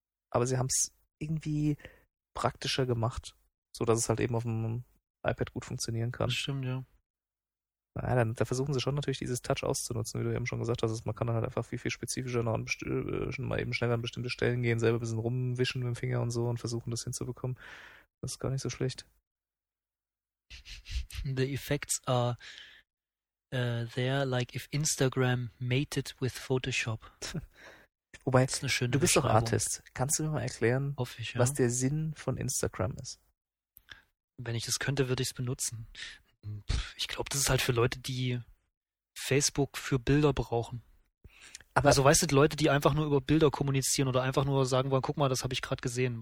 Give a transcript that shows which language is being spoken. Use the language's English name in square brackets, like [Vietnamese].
[German] Aber sie haben es irgendwie praktischer gemacht, sodass es halt eben auf dem iPad gut funktionieren kann. Das stimmt, ja. Naja, da versuchen sie schon natürlich dieses Touch auszunutzen, wie du eben schon gesagt hast. Man kann dann halt einfach viel, viel spezifischer noch schneller an bestimmte Stellen gehen, selber ein bisschen rumwischen mit dem Finger und so und versuchen, das hinzubekommen. Das ist gar nicht so schlecht. [English] The effects are there, like if Instagram mated with Photoshop. [German] Wobei, das ist eine schöne, du bist doch Artist. Kannst du mir mal erklären, was der Sinn von Instagram ist? Wenn ich das könnte, würde ich es benutzen. Ich glaube, das ist halt für Leute, die Facebook für Bilder brauchen. Aber also weißt du, die Leute, die einfach nur über Bilder kommunizieren oder einfach nur sagen wollen, guck mal, das habe ich gerade gesehen.